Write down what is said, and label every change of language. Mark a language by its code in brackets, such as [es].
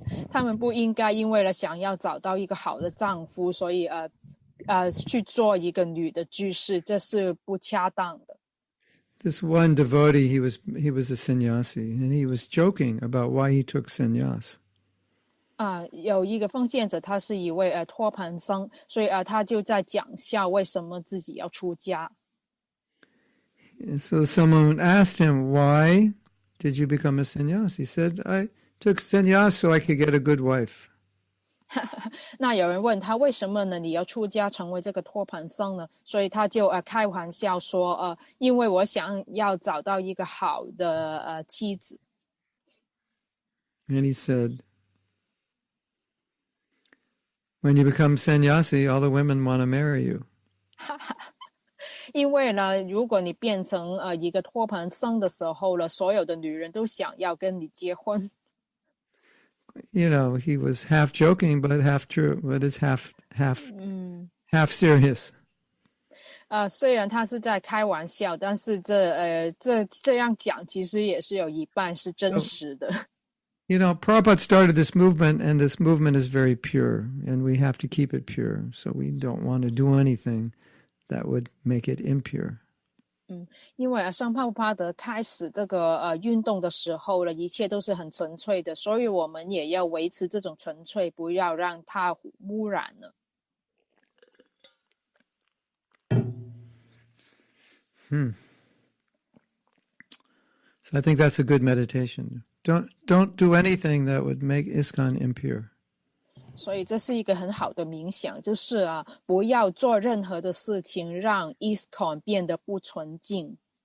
[zh] 他们不应该因为了想要找到一个好的丈夫，所以去做一个女的居士，这是不恰当的。 [en] This one devotee, he was a sannyasi, and he was joking about why he took sannyas. [zh] 有一个奉献者，他是一位托盘僧，所以他就在讲笑为什么自己要出家。 [en] So someone asked him, "Why did you become a sannyasi?" He said, "I." Took sannyas so I could get a good wife. [zh] 那有人问他为什么呢？你要出家成为这个托盘僧呢？所以他就开玩笑说因为我想要找到一个好的妻子。 [en] And he said, "When you become sannyasi, all the women want to marry you." [zh] 因为呢，如果你变成一个托盘僧的时候了，所有的女人都想要跟你结婚。 [en] You know, he was half joking, but half true, but it's half serious. [zh] 虽然他是在开玩笑，但是 这样讲其实也是有一半是真实的。 [en] You know, Prabhupada started this movement, and this movement is very pure, and we have to keep it pure, so we don't want to do anything that would make it impure. [zh] 因为圣帕布帕德开始这个运动的时候了，一切都是很纯粹的，所以我们也要维持这种纯粹，不要让它污染了。 [en] So I think that's a good meditation. Don't do anything that would make ISKCON impure. [zh] 所以这是一个很好的冥想，就是啊，不要做任何的事情让 ISKCON 变得不纯净。